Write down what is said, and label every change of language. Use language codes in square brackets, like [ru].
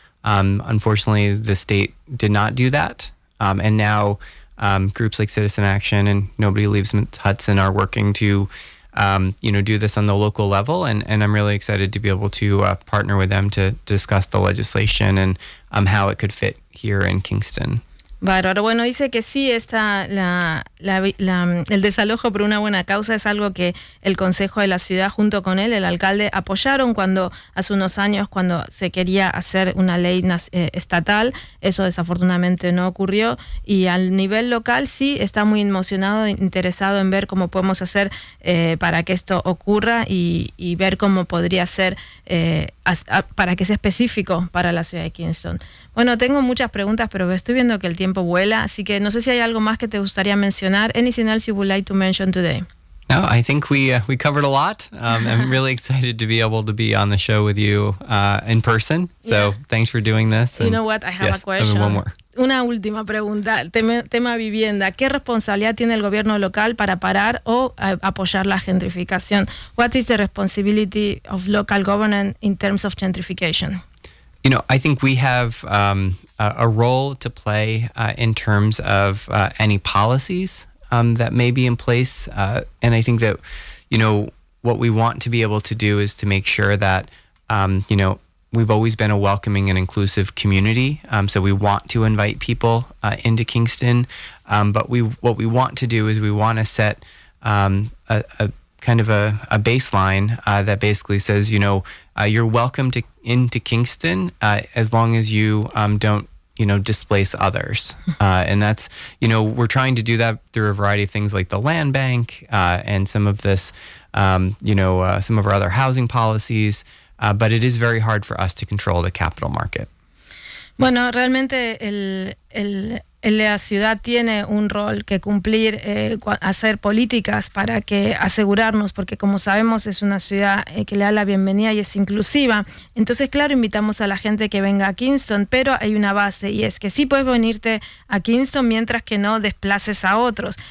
[en] Unfortunately, the state did not do that. And now groups like Citizen Action and Nobody Leaves Hudson are working to, you know, do this on the local level. And I'm really excited to be able to partner with them to discuss the legislation and how it could fit here in Kingston. [es] Bárbaro. Bueno, dice que sí, está el desalojo por una buena causa es algo que el Consejo de la Ciudad, junto con él, el alcalde, apoyaron cuando hace unos años, cuando se quería hacer una ley estatal. Eso desafortunadamente no ocurrió. Y al nivel local, sí, está muy emocionado, interesado en ver cómo podemos hacer para que esto ocurra y ver cómo podría ser para que sea específico para la ciudad de Kingston. Bueno, tengo muchas preguntas, pero estoy viendo que el tiempo vuela, así que no sé si hay algo más que te gustaría mencionar. [en] Anything else you would like to mention today? No, I think we covered a lot. I'm really excited to be able to be on the show with you in person. So yeah. Thanks for doing this. You know what? I have a question. One more. [es] Una última pregunta. Tema vivienda. ¿Qué responsabilidad tiene el gobierno local para parar o apoyar la gentrificación? [en] What is the responsibility of local government in terms of gentrification? You know, I think we have a role to play in terms of any policies that may be in place. And I think that, you know, what we want to be able to do is to make sure that, you know, we've always been a welcoming and inclusive community. So we want to invite people into Kingston. But what we want to do is we want to set a baseline that basically says, you know, you're welcome to into Kingston as long as you don't, you know, displace others. And that's, you know, we're trying to do that through a variety of things like the land bank and some of this, some of our other housing policies. But it is very hard for us to control the capital market. [es] Bueno, realmente la ciudad tiene un rol que cumplir, hacer políticas para que asegurarnos, porque como sabemos es una ciudad que le da la bienvenida y es inclusiva. Entonces, claro, invitamos a la gente que venga a Kingston, pero hay una base, y es que sí puedes venirte a Kingston mientras que no desplaces a otros.